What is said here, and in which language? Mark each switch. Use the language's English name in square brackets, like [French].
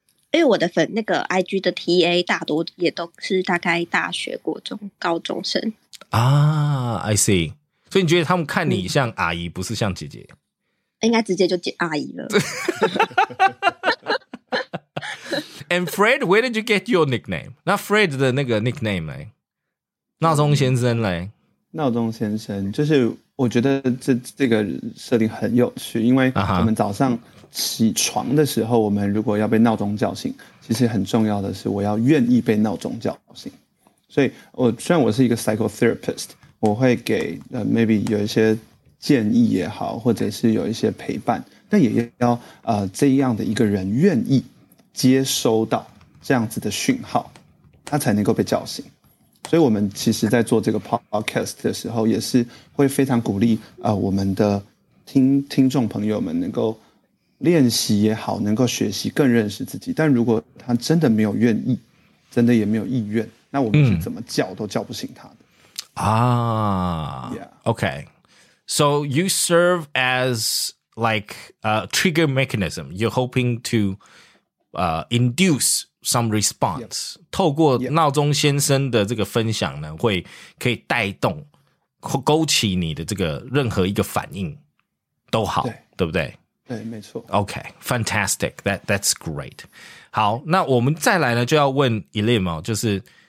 [Chinese] 因为我的粉那个 IG 的 TA 大多也都是大概大学、国中、高中生 [English] 啊。I see. [Chinese] 所以你觉得他们看你像阿姨、嗯、不是像姐姐？应该直接就姐阿姨了。 [English] And Fred, where did you get your nickname? [Chinese] 那 Fred 的那个 nickname 呢？闹钟先生呢？闹钟先生，就是我觉得这个设定很有趣，因为我们早上起床的时候，我们如果要被闹钟叫醒，其实很重要的是我要愿意被闹钟叫醒。所以我虽然我是一个 psychotherapist，我会给maybe 有一些建议也好，或者是有一些陪伴，但也要这样的一个人愿意接收到这样子的讯号，他才能够被叫醒。所以我们其实在做这个 podcast 的时候，也是会非常鼓励我们的听众朋友们能够练习也好，能够学习更认识自己。但如果他真的没有愿意，真的也没有意愿，那我们是怎么叫都叫不醒他的。 [English] Okay. So you serve as like a trigger mechanism. You're hoping to induce some response. Yep. [Chinese] 透过闹钟先生的这个分享呢，会可以带动勾起你的这个任何一个反应都好，对，对不对？对，没错。 [English] Okay, fantastic. That's great. [Chinese] 好，那我们再来呢，就要问 Elim 哦，就是。